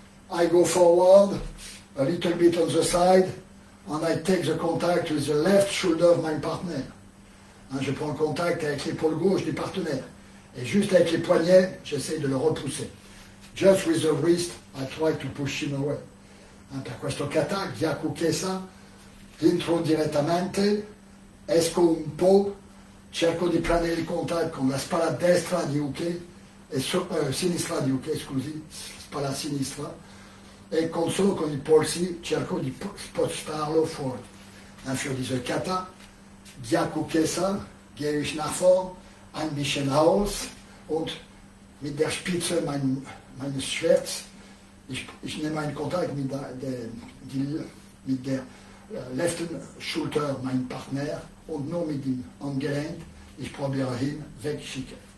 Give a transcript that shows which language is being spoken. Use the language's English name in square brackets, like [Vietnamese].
[English] I go forward, a little bit on the side, and I take the contact with the left shoulder of my partner. [French] Je prends contact avec l'épaule gauche du partenaire. Et juste avec les poignets, j'essaie de le repousser. [English] Just with the wrist, I try to push him away. [Italian] Per questo kata, Gyaku Kesa, entro direttamente, esco un po', cerco di prendere il contatto con la spalla destra di Uke, sinistra di Uke, scusi, spalla sinistra, e con solo con i polsi, cerco di spostarlo fuori. [German] Infio di kata, Gyaku Kesa, gehe ich nach vorn, ein bisschen raus und mit der Spitze meines Schwerts, ich nehme einen Kontakt mit der linken Schulter mein Partner und nur mit dem Handgelenk, ich probiere ihn wegschicken.